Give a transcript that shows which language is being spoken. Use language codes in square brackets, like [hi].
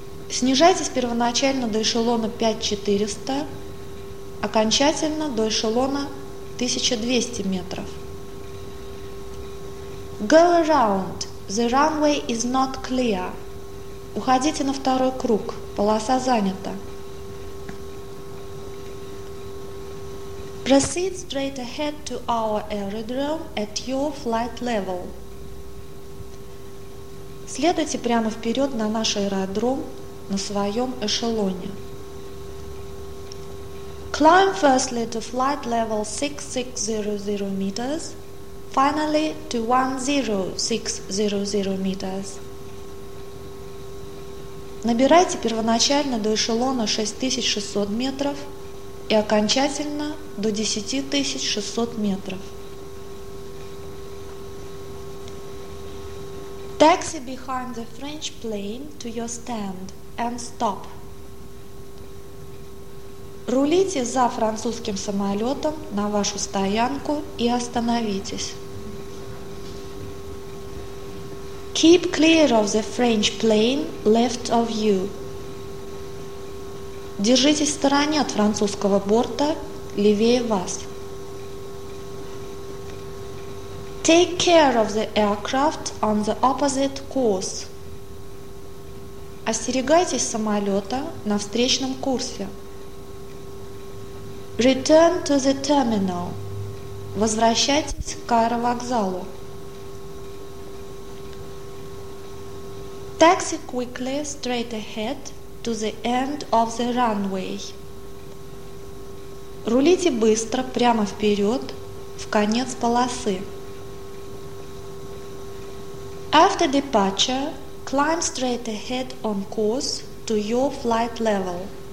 [ru] Снижайтесь первоначально до эшелона 5400, окончательно до эшелона 1200 метров. [en] Go around, the runway is not clear. [ru] Уходите на второй круг, полоса занята. [en] Proceed straight ahead to our aerodrome at your flight level. [ru] Следуйте прямо вперед на наш аэродром на своем эшелоне. [en] Climb firstly to flight level 6600 meters, finally to 10600 meters. [ru] Набирайте первоначально до эшелона 6600 метров и окончательно до 10600 метров. [en] Taxi behind the French plane to your stand and stop. [ru] Рулите за французским самолетом на вашу стоянку и остановитесь. [en] Keep clear of the French plane left of you. [ru] Держитесь в стороне от французского борта, левее вас. [en] Take care of the aircraft on the opposite course. [ru] Остерегайтесь самолета на встречном курсе. [en] Return to the terminal. [ru] Возвращайтесь к аэровокзалу. [en] Taxi quickly straight ahead to the end of the runway. [ru] Рулите быстро прямо вперед в конец полосы. [en] After departure, climb straight ahead on course to your flight level.